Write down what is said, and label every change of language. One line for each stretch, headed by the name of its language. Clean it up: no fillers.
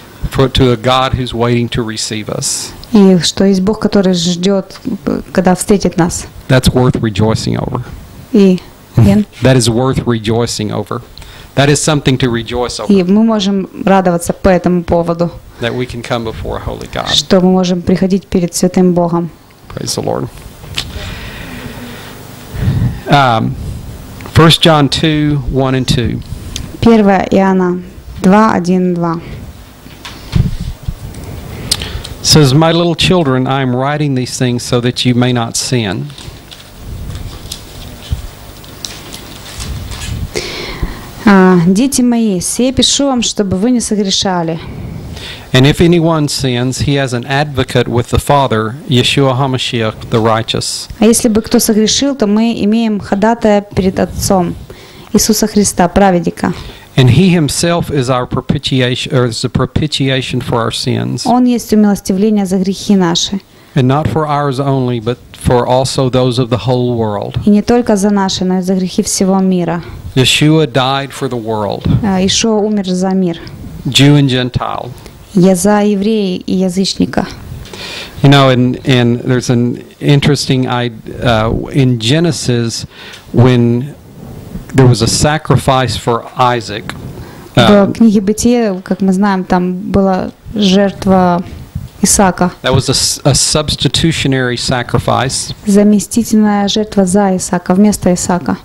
English: For to a God who's waiting to receive us.
Russian: И что есть Бог, который ждет, когда встретит нас.
English: That's worth rejoicing over.
Russian: И
English: That is worth rejoicing over. That is something to rejoice over.
Russian: И мы можем радоваться по этому поводу.
English: That we can come before a holy God.
Russian: Что мы можем приходить перед святым Богом.
English: Praise the Lord. 1 John 2, 1 and 2.
Russian: 1 Иоанна 2, 1, 2.
English: Says, my little children, I am writing these things so that you may not sin.
Russian: Дети мои, сие пишу вам, чтобы вы не согрешали.
English: And if anyone sins, he has an advocate with the Father, Yeshua HaMashiach, the righteous.
Russian: А если бы кто согрешил, то мы имеем ходатая перед Отцом, Иисуса Христа, праведника.
English: And he himself is our propitiation, or is the propitiation for our sins.
Russian: Он есть умилостивление за грехи наши.
English: And not for ours only, but for also those of the whole world.
Russian: И не только за наши, но и за грехи всего мира.
English: Yeshua died for the world.
Russian: Иешуа умер за мир.
English: Jew and Gentile.
Russian: Я за еврея и язычника.
English: You know, and there's an interesting idea in Genesis when there was a sacrifice for Isaac.
Russian: В книге Бытия, как мы знаем, там была жертва Исаака.
English: That was a substitutionary sacrifice.
Russian: Заместительная жертва за Исаака, вместо Исаака.